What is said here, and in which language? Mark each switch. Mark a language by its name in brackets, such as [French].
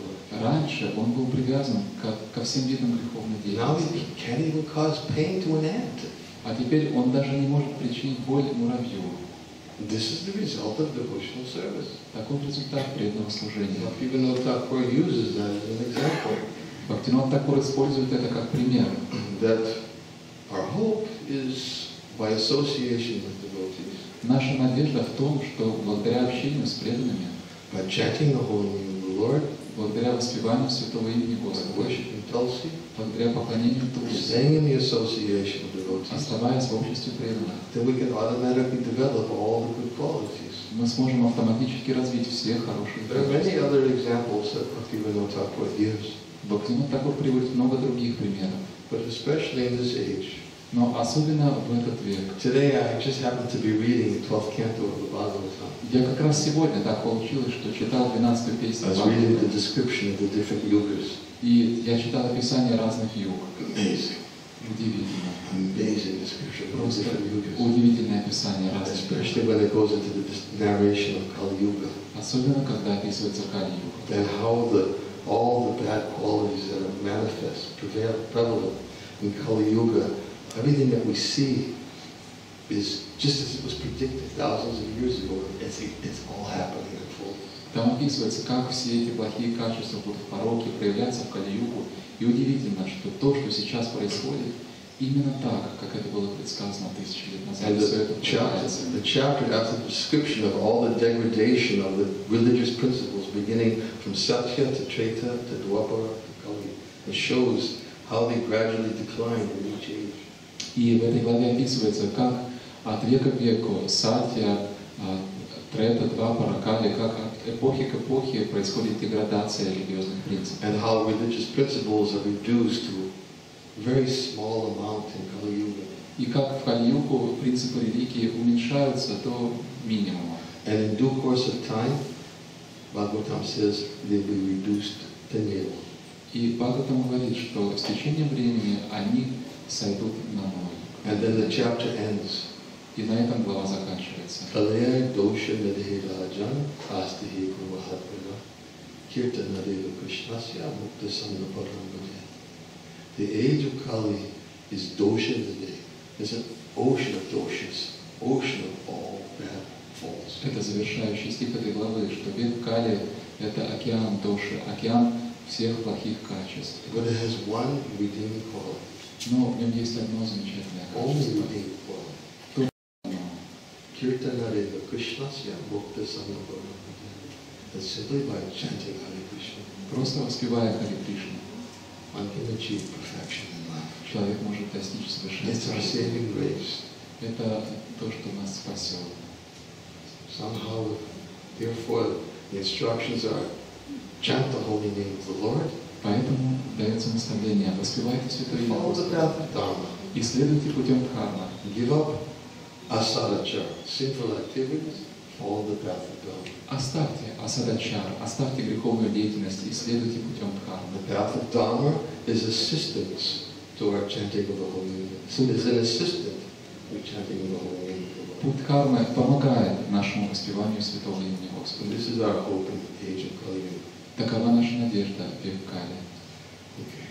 [Russian] Раньше он был привязан ко всем видам греховной деятельности. А теперь он даже не может причинить боль муравью. [English] This is the result of devotional service. [Russian] Таков результат преданного служения. [English] Бхактинода Тхакур uses that as an example. [Russian] Бхактинода Тхакур использует это как пример. [English] That our hope is by association with devotees. [Russian] Наша надежда в том, что благодаря общению с преданными, [English] by chanting the holy name of the Lord, [Russian] благодаря воспеванию святого имени Господа, [English] worshiping Tulsi, [Russian] благодаря поклонению Тулси, [English] staying in the association with devotees, [Russian] оставаясь в обществе преданных, [English] then we can automatically develop all the good qualities. [Russian] Мы сможем автоматически развить все хорошие качества. [English] There are many other examples that Bhaktivinoda Thakur gives. [Russian] Бхактивинода Тхакур приводит много других примеров. [English] But especially in this age. [Russian] Но особенно в этот век. [English] Today I just happened to be reading the 12th canto of the Bhagavatam. [Russian] Я как раз сегодня так получилось, что читал 12-ю песню [English] Бхагавата. I was reading the description of the different yugas. [Russian] И я читал описание разных юг. [English] Amazing. [Russian] Удивительно. [English] Amazing description of the different yugas. [Russian] Удивительное описание разных юг. [English] Especially when it goes into the narration of Kali Yuga. [Russian] Особенно когда описывается Кали Юга. [English] And how all the bad qualities that are manifest, prevalent in Kali Yuga. Everything that we see is just as it was predicted thousands of years ago. It's all happening in full. [Russian] Там описывается, как все эти плохие качества будут в пороке проявляться в Кали-югу. И удивительно, что то, что сейчас происходит, именно так, как это было предсказано тысячи лет назад. [English] The chapter has a description of all the degradation of the religious principles, beginning from Satya to Treta to Dwapara to Kali. It shows how they gradually decline in each age. [Russian] И в этой главе описывается, как от века к веку Сатья, Трета, Двапара, Кали, как от эпохи к эпохе происходит деградация религиозных принципов. [English] And how religious principles are reduced to very small amount in Kali-yuga. [Russian] И как в Кали-югу принципы религии уменьшаются до минимума. [English] And in due course of time, Bhagavatam says they will be reduced to nil. [Russian] И Бхагаватам говорит, что с течением времени они сойдут на ноль. [English] And then the chapter ends. [Russian] И на этом глава заканчивается. [Sanskrit] Калея доша надхира аджан астихи курвахатмина кирта надхира кришнасия мукта санна парангадья. [English] The age of Kali is dosha nadhe. It's an ocean of doshas. Ocean of all bad faults. [Russian] Это завершающий стих этой главы, что век Кали — это океан доши, океан всех плохих качеств. [English] But it has one redeeming quality. [Russian] Но в нем есть одно замечательное качество. [Sanskrit] Только Киртана Рива Кришнасья Мукта Саннабхана. [English] That's simply by chanting Hare Krishna. [Russian] Просто воспевая Хари Кришну. [English] One can achieve perfection in life. [Russian] Человек может достичь совершенства. [English] It's our saving grace. [Russian] Это то, что нас спасет. [English] Somehow, therefore, the instructions are chant the holy name of the Lord. [Russian] Поэтому дается наставление, воспевайте святое имя Господа, исследуйте путем Дхармы. [English] Give up asadachara, sinful activities, follow the path of Dharma. [Russian] Оставьте asadachara, оставьте греховную деятельность, исследуйте путем Дхармы. [English] The path of Dharma is assistance to our chanting of the holy name. It's an assistant to chanting the holy name. [Russian] Путь Дхармы помогает нашему воспеванию святого имени Господа. [English] This is our hope in the age of Kali Yuga. [Russian] Такова наша надежда в век Кали.